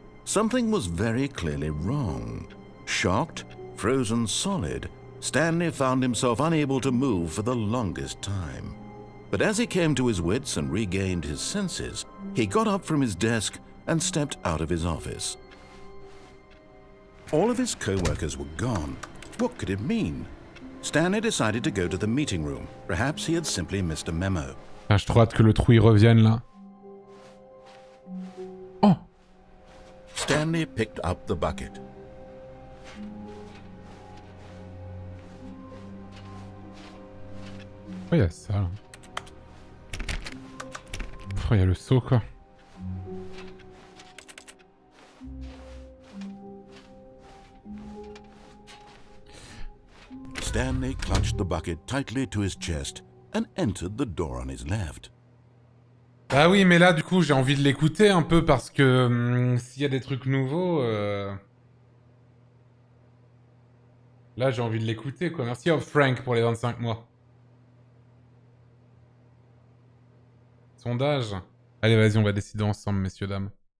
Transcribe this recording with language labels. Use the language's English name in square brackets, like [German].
[English] Something was very clearly wrong. Shocked, frozen solid, Stanley found himself unable to move for the longest time. But as he came to his wits and regained his senses, he got up from his desk and stepped out of his office. All of his co-workers were gone. What could it mean? Stanley decided to go to the meeting room. Perhaps he had simply missed a memo. [French] Ah, je trouve hâte que le trou y revienne là. Oh! [English] Stanley picked up the bucket. Oh, yes, ça. [French] Il y a le saut, quoi. [English] Stanley clutched the bucket tightly to his chest and entered the door on his left. [French] Bah oui, mais là, du coup, j'ai envie de l'écouter un peu parce que s'il y a des trucs nouveaux... Là, j'ai envie de l'écouter, quoi. Merci à Frank pour les 25 mois. Sondage. Allez, vas-y, on va décider ensemble, messieurs, dames.